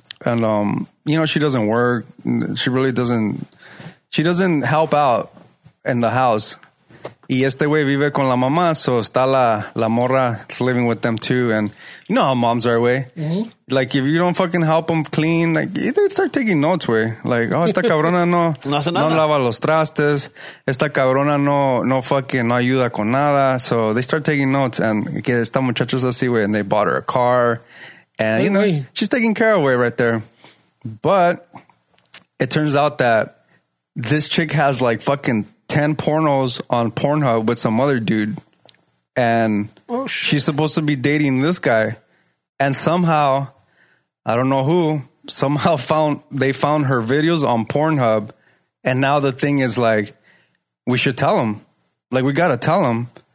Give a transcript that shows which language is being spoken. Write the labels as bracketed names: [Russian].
[English] And you know, she doesn't work. She really doesn't. She doesn't help out in the house. [Spanish] Y este güey vive con la mamá, [English] so [Spanish] está la morra [English] living with them too. And you know how moms are, güey. Mm-hmm. Like, if you don't fucking help them clean, like, they start taking notes, güey. [Spanish] Like, oh, esta cabrona no lava los trastes. Esta cabrona no fucking no ayuda con nada. [English] So they start taking notes. And [Spanish] que esta muchacha es así, güey. [English] And they bought her a car. And, you know, she's taking care of her right there. But it turns out that this chick has like fucking 10 pornos on Pornhub with some other dude, and she's supposed to be dating this guy, and somehow, I don't know who, somehow they found her videos on Pornhub, and now the thing is, like, we should tell him. Like, we gotta tell him.